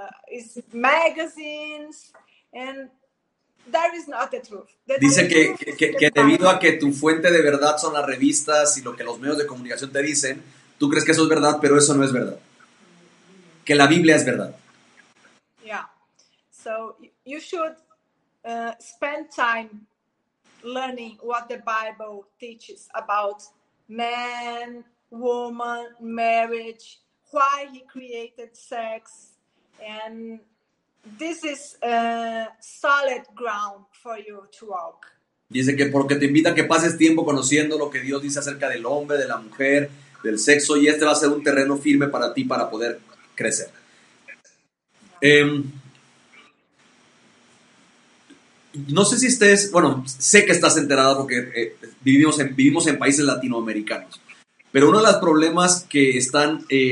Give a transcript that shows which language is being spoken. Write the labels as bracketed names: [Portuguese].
[English] is magazines, and that is not the truth. [Spanish] Dice que debido a que tu fuente de verdad son las revistas y lo que los medios de comunicación te dicen, tú crees que eso es verdad, pero eso no es verdad. Que la Biblia es verdad. Yeah. [English] So you should spend time learning what the Bible teaches about man, woman, marriage, why he created sex, and this is a solid ground for you to walk. [Spanish] Dice que porque te invita a que pases tiempo conociendo lo que Dios dice acerca del hombre, de la mujer, del sexo, y este va a ser un terreno firme para ti para poder crecer. No sé si estés, bueno, sé que estás enterada porque vivimos en países latinoamericanos, pero uno de los problemas que están